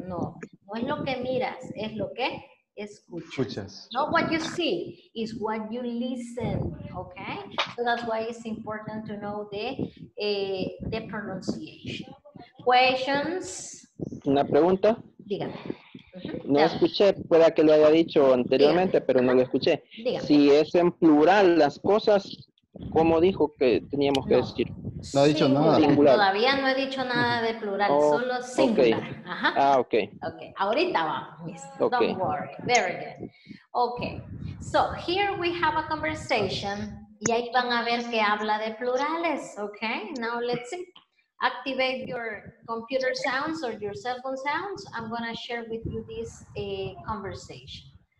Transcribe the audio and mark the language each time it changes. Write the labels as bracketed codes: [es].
[es] No, no es lo que miras, es lo que escuchas. [en] Not what you see, is what you listen. Okay, so that's why it's important to know the pronunciation. Questions? [es] Una pregunta. Dígame. No escuché, pueda que lo haya dicho anteriormente, pero no lo escuché. Dígame. Si es en plural las cosas, ¿cómo dijo que teníamos que decir? No ha dicho nada. Singular. Todavía no he dicho nada de plural, solo singular. Okay. Ajá. Ah, okay. [en] Okay. [es] Ahorita vamos. [en] Okay. Don't worry. Very good. Okay. So here we have a conversation. [es] Y ahí van a ver que habla de plurales. [en] Okay. Now let's see. Activate your computer sounds or your cell phone sounds. I'm going to share with you this conversation.